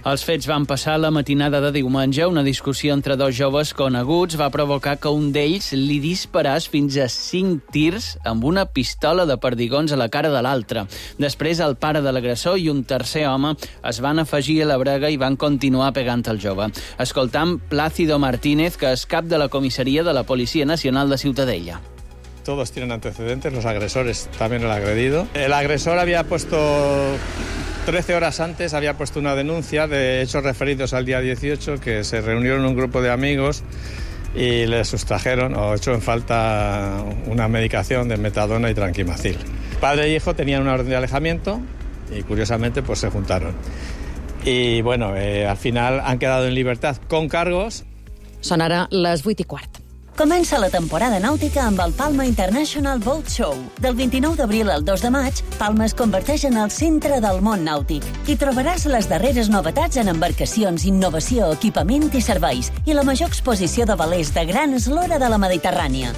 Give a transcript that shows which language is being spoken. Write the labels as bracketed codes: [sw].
[ca] Els fets van passar la matinada de diumenge. Una discussió entre dos joves coneguts va provocar que un d'ells li disparés fins a 5 tirs amb una pistola de perdigons a la cara de l'altre. Després, el pare de l'agressor i un tercer home es van afegir a la brega i van continuar pegant el jove. Escoltam Plácido Martínez, que és cap de la comissaria de la Policia Nacional de Ciutadella. [es] todos tienen antecedentes, los agresores también el agredido. El agresor había puesto 13 horas antes, había puesto una denuncia de hechos referidos al día 18, que se reunieron un grupo de amigos y le sustrajeron o echó en falta una medicación de metadona y tranquimacil. Padre e hijo tenían una orden de alejamiento y curiosamente pues se juntaron. Y bueno, al final han quedado en libertad con cargos. [ca] Són ara les 8 i quart. Comença la temporada nàutica amb el Palma International Boat Show. Del 29 d'abril al 2 de maig, Palma es converteix en el centre del món nàutic. Hi trobaràs les darreres novetats en embarcacions, innovació, equipament i serveis i la major exposició de velers de gran eslora de la Mediterrània.